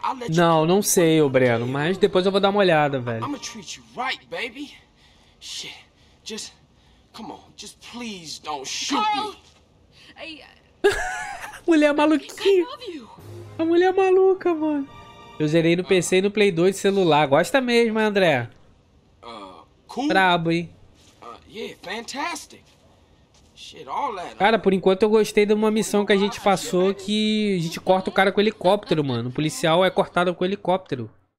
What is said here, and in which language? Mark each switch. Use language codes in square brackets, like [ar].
[pt] Não, não sei, o Breno, mas depois eu vou dar uma olhada, velho. [en] I'm gonna treat you right, baby. Shit. Just come on, just please don't shoot me. [pt] Mulher maluquinha. A mulher é maluca, mano. Eu zerei no PC e no Play 2 de celular. Gosta mesmo, hein, André? [en] Cool. [pt] Brabo, hein? [en] Yeah, fantastic. Shit, all that. [pt] Cara, por enquanto eu gostei de uma missão que a gente passou que a gente corta o cara com o helicóptero, mano. O policial é cortado com o helicóptero.